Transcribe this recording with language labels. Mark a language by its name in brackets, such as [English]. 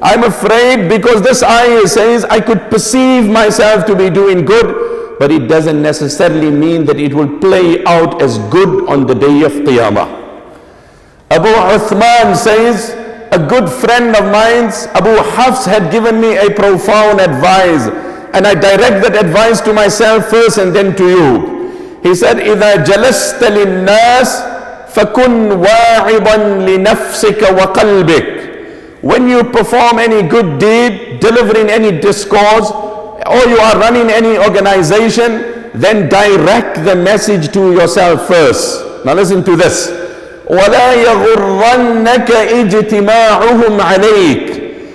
[English] I'm afraid because this ayah says I could perceive myself to be doing good, but it doesn't necessarily mean that it will play out as good on the day of Qiyamah. Abu Uthman says, a good friend of mine, Abu Hafs, had given me a profound advice, and I direct that advice to myself first and then to you. He said, [Arabic] إِذَا جَلَسْتَ لِلنَّاسِ فَكُنْ وَاعِبًا لِنَفْسِكَ وَقَلْبِكَ. [English] When you perform any good deed, delivering any discourse, or you are running any organization, then direct the message to yourself first. Now listen to this. [Arabic] وَلَا يَغُرَّنَّكَ إِجْتِمَاعُهُمْ عَلَيْكَ.